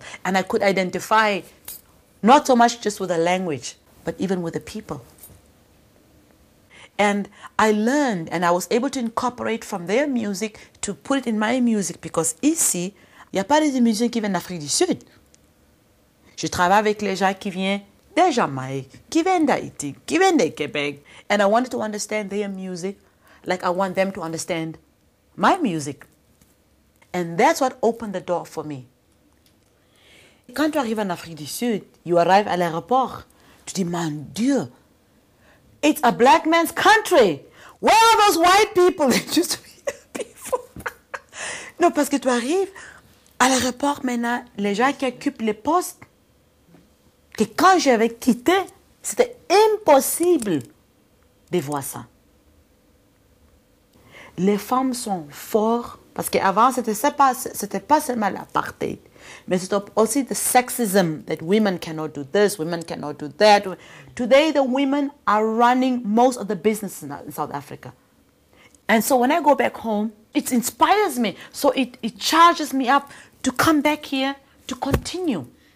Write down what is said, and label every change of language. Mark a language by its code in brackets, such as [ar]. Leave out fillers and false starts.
[en] And I could identify not so much just with the language, but even with the people. And I learned and I was able to incorporate from their music to put it in my music because [fr] ici, il n'y a pas des musiciens qui viennent d'Afrique du Sud. Je travaille avec les gens qui viennent de Jamaïque, qui viennent d'Haïti, qui viennent de Québec. [en] And I wanted to understand their music like I want them to understand my music. And that's what opened the door for me. [fr] Quand tu arrives en Afrique du Sud, [en] you arrive [fr] à l'aéroport, tu dis, mon Dieu, [en] it's a black man's country. Where are those white people that used to be before? [fr] Non, parce que tu arrives à l'aéroport maintenant, les gens qui occupent les postes, que quand j'avais quitté, c'était impossible de voir ça. Les femmes sont fortes, parce qu'avant, c'était pas seulement l'apartheid. Mais c'est aussi le sexisme, [en] that women cannot do this, women cannot do that. Today, the women are running most of the business in South Africa. And so when I go back home, it inspires me. So it charges me up to come back here to continue.